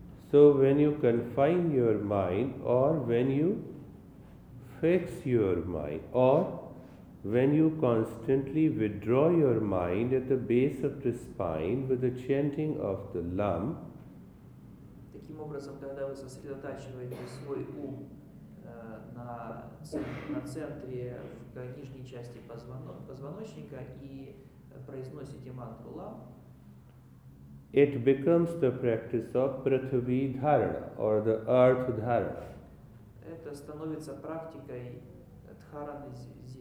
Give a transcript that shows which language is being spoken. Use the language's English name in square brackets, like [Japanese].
[English] So when you confine your mind, or when you fix your mind, or when you constantly withdraw your mind at the base of the spine with the chanting of the lam, [Russian] таким образом, когда вы сосредотачиваете свой ум на центре в нижней части позвоночника и произносите мантру лам, [English] it becomes the practice of prithvi dharana or the earth dharana. [Russian] Это становится практикой дхараны земли.